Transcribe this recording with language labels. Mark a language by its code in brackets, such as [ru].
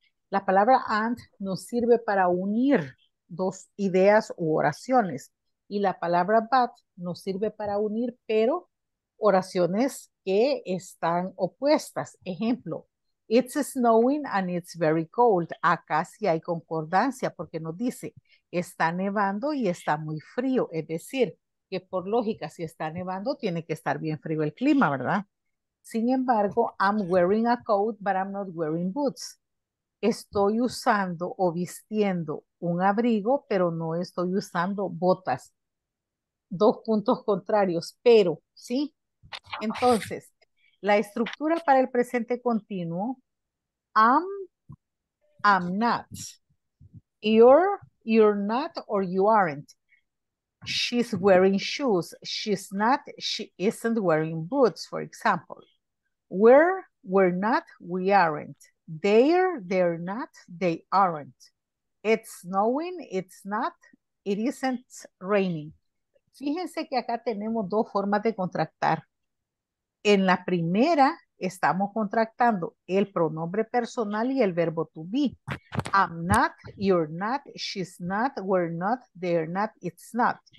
[es] La palabra and nos sirve para unir dos ideas u oraciones y la palabra but nos sirve para unir pero oraciones que están opuestas. Ejemplo, [en] it's snowing and it's very cold. [es] Acá sí hay concordancia porque nos dice, está nevando y está muy frío. Es decir, que por lógica, si está nevando, tiene que estar bien frío el clima, ¿verdad? Sin embargo, [en] I'm wearing a coat, but I'm not wearing boots. [es] Estoy usando o vistiendo un abrigo, pero no estoy usando botas. Dos puntos contrarios, pero, ¿sí? Entonces, La estructura para el presente continuo, [en] am, am not, you're not, or you aren't. She's wearing shoes, she's not, she isn't wearing boots, for example. We're not, we aren't. They're not, they aren't. It's snowing, it's not, it isn't raining. [es] Fíjense que acá tenemos dos formas de contractar. En la primera estamos contractando el pronombre personal y el verbo to be. [en] I'm not, you're not, she's not, we're not, they're not, it's not.